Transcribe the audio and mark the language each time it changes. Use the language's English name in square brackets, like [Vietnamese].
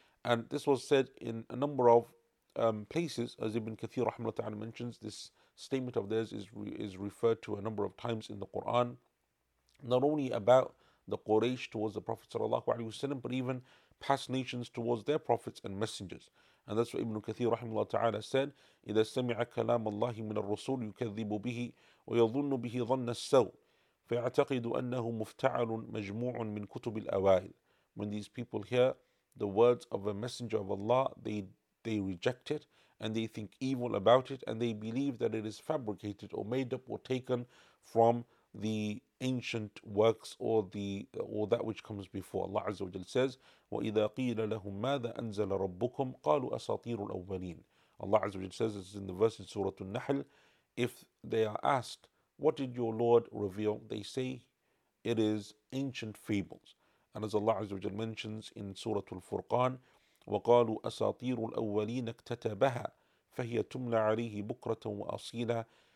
[English] And this was said in a number of places, as Ibn Kathir rahimahullah ta'ala mentions. This statement of theirs is referred to a number of times in the Quran, not only about the Quraysh towards the Prophet sallallahu alaihi wasallam, but even past nations towards their prophets and messengers. And that's what Ibn Kathir rahimahullah ta'ala said, [Arabic] إِذَا سَمِعَ كَلَامَ اللَّهِ مِنَ الرَّسُولِ يُكَذِّبُ بِهِ وَيَظُنُّ بِهِ ظَنَّ السَّوْءِ فَيَعْتَقِدُ أَنَّهُ مُفْتَعَلٌ مَجْمُوعٌ مِنْ كُتُبِ الْأَوَائِلِ. [English] When these people hear the words of a messenger of Allah, they reject it, and they think evil about it, and they believe that it is fabricated or made up or taken from the ancient works or that which comes before. Allah Azza wa Jal says, [Arabic] وَإِذَا قِيلَ لَهُمْ مَاذَا أَنزَلَ رَبُّكُمْ قَالُوا أَسَاطِيرُ الْأَوَّلِينَ. [English] Allah Azza wa Jal says, this is in the verse in Surah An-Nahl, if they are asked, what did your Lord reveal? They say, it is ancient fables. And as Allah Azza wa Jal mentions in Surah Al-Furqan, [Arabic] وَقَالُوا أَسَاطِيرُ الْأَوَّلِينَ اكْتَتَبَهَا فَهِيَ تُمْلَى عَلَيْهِ بُكْرَةً وَأَصِيلًا.